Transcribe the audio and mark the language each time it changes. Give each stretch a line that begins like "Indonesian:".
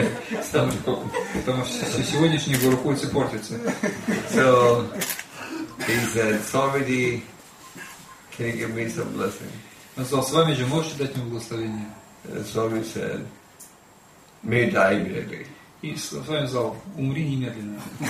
Russian: Потому что сегодняшние гурукульцы портятся.
English: So, he said, Swamiji, can you give me some blessing?
Russian: Он сказал: Свамиджи, можете дать мне благословение?
English: Swami said, may die immediately.
Russian: И с вами сказал: умри немедленно.